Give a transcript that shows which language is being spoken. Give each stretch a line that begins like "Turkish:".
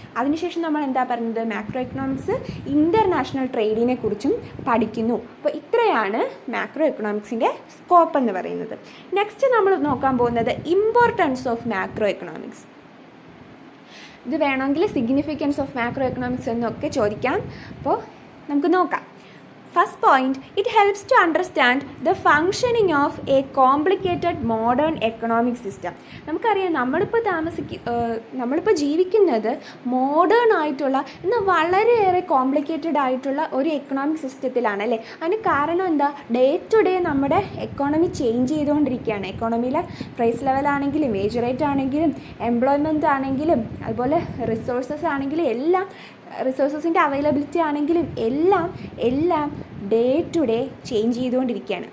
Malayalam: അതിനുശേഷം നമ്മൾ എന്താ പറഞ്ഞത്, മാക്രോ എക്കണോമിക്സ് ഇൻ്റർനാഷണൽ ട്രേഡിനെ കുറിച്ചും പഠിക്കുന്നു. അപ്പോൾ ഇത്രയാണ് മാക്രോ എക്കണോമിക്സിൻ്റെ സ്കോപ്പ് എന്ന് പറയുന്നത്. നെക്സ്റ്റ് നമ്മൾ നോക്കാൻ പോകുന്നത്
English: Importance of macro economics.
Malayalam: ഇത് വേണമെങ്കിൽ സിഗ്നിഫിക്കൻസ് ഓഫ് മാക്രോ എക്കണോമിക്സ് എന്നൊക്കെ ചോദിക്കാം. അപ്പോൾ നമുക്ക് നോക്കാം.
English: First point, it helps to understand the functioning of a complicated modern economic system.
Malayalam: നമുക്കറിയാം നമ്മളിപ്പോൾ നമ്മളിപ്പോൾ ജീവിക്കുന്നത് മോഡേൺ ആയിട്ടുള്ള എന്നാൽ വളരെയേറെ കോംപ്ലിക്കേറ്റഡ് ആയിട്ടുള്ള ഒരു എക്കണോമിക് സിസ്റ്റത്തിലാണ് അല്ലേ. അതിന് കാരണം എന്താ, ഡേ ടു ഡേ നമ്മുടെ എക്കോണമി ചേഞ്ച് ചെയ്തുകൊണ്ടിരിക്കുകയാണ്. എക്കോണമിയിലെ പ്രൈസ് ലെവലാണെങ്കിലും വേജ് റേറ്റ് ആണെങ്കിലും എംപ്ലോയ്മെൻ്റ് ആണെങ്കിലും അതുപോലെ റിസോഴ്സസ് ആണെങ്കിലും എല്ലാം റിസോഴ്സസിൻ്റെ അവൈലബിലിറ്റി ആണെങ്കിലും എല്ലാം ഡേ ടു ഡേ ചേഞ്ച് ചെയ്തുകൊണ്ടിരിക്കുകയാണ്.